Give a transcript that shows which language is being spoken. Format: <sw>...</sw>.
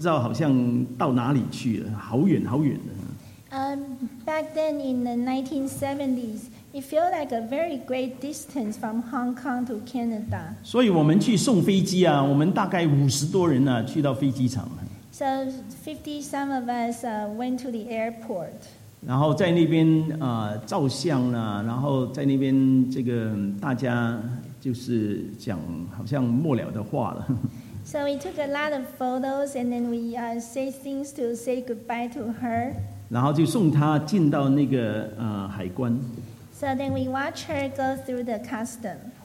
<zh>你知道40多年前呢,那个时候要来美国,要来加拿大,就不知道好像到哪里去了,好远好远的。</zh> <en>Back then in the 1970s, it felt like a very great distance from Hong Kong to Canada.</en> <zh>所以我们去送飞机啊,我们大概50多人啊,去到飞机场。</zh> <en>So 50 some of us went to the airport.</en> <zh>然后在那边照相啊,然后在那边这个大家就是讲好像末了的话了。</zh> <en>So we took a lot of photos and then we say things to say goodbye to her.</en> <zh>然后就送她进到那个海关。</zh> <en>So then we watch her go through the custom.</en>